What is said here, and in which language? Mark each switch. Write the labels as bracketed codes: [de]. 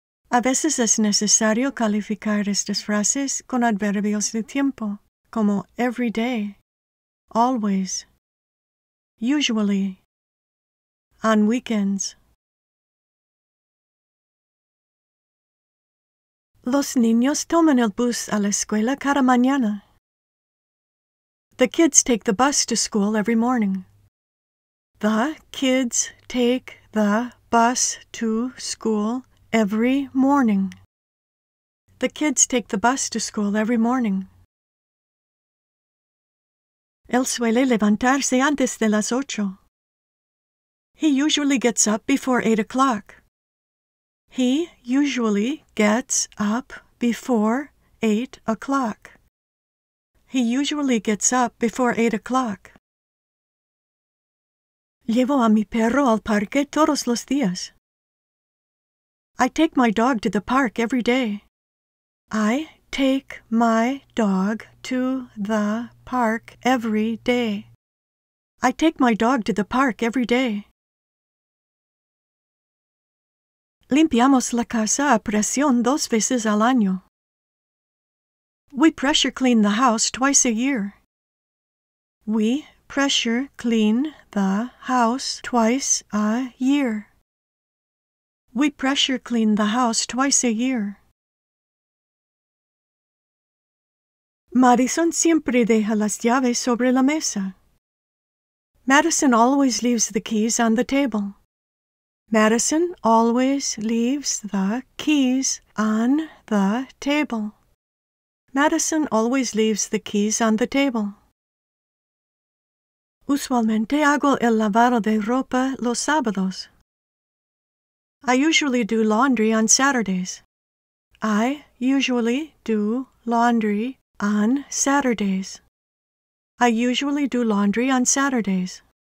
[es] A veces es necesario calificar estas frases con adverbios de tiempo, como [en] every day, always, usually, on weekends. [es] Los niños toman el bus a la escuela cada mañana. [en] The kids take the bus to school every morning. The kids take the bus to school every morning. The kids take the bus to school every morning. [es] Él suele levantarse antes de las ocho. [en] He usually gets up before 8 o'clock. He usually gets up before 8 o'clock. He usually gets up before 8 o'clock. [es] Llevo a mi perro al parque todos los días. [en] I take my dog to the park every day. I take my dog to the park every day. I take my dog to the park every day. [es] Limpiamos la casa a presión dos veces al año. [en] We pressure clean the house twice a year. We pressure clean the house twice a year. We pressure clean the house twice a year. [es] Madison siempre deja las llaves sobre la mesa. [en] Madison always leaves the keys on the table. Madison always leaves the keys on the table. Madison always leaves the keys on the table. [es] Usualmente hago el lavado de ropa los sábados. [en] I usually do laundry on Saturdays. I usually do laundry on Saturdays. I usually do laundry on Saturdays.